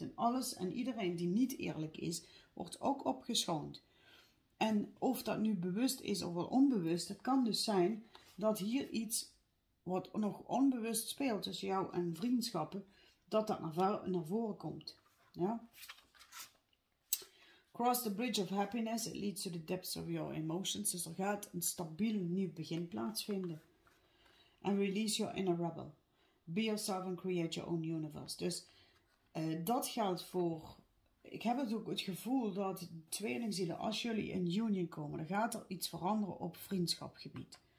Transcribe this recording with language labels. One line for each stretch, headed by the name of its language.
Dutch: En alles en iedereen die niet eerlijk is, wordt ook opgeschoond. En of dat nu bewust is of wel onbewust, het kan dus zijn dat hier iets wat nog onbewust speelt tussen jou en vriendschappen, dat dat naar voren komt. Ja?
English: Cross the bridge of happiness, it leads to the depths of your emotions.
Dutch: Dus er gaat een stabiel nieuw begin plaatsvinden.
English: And release your inner rebel. Be yourself and create your own universe.
Dutch: Dus dat geldt voor, ik heb het ook het gevoel dat tweelingzielen, als jullie in union komen, dan gaat er iets veranderen op vriendschapgebied.